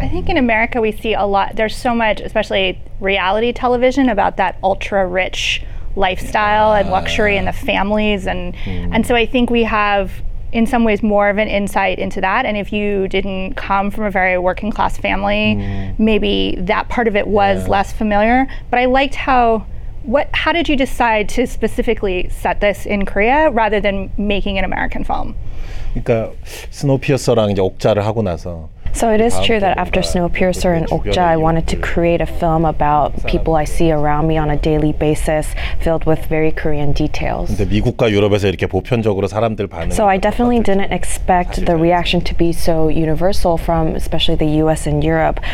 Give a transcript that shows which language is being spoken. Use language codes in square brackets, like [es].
[en] I think in America we see a lot, there's so much, especially reality television, about that ultra rich lifestyle and luxury and the families, and and so I think we have in some ways more of an insight into that. And if you didn't come from a very working class family, maybe that part of it was less familiar. But I liked how did you decide to specifically set this in Korea rather than making an American film? [ko] 그러니까 스노우피어서랑 이제 옥자를 하고 나서. [en] So it is true that after Snowpiercer and Okja, I wanted to create a film about people I see around me on a daily basis, filled with very Korean details. So I definitely didn't expect the reaction to be so universal from especially the US and Europe.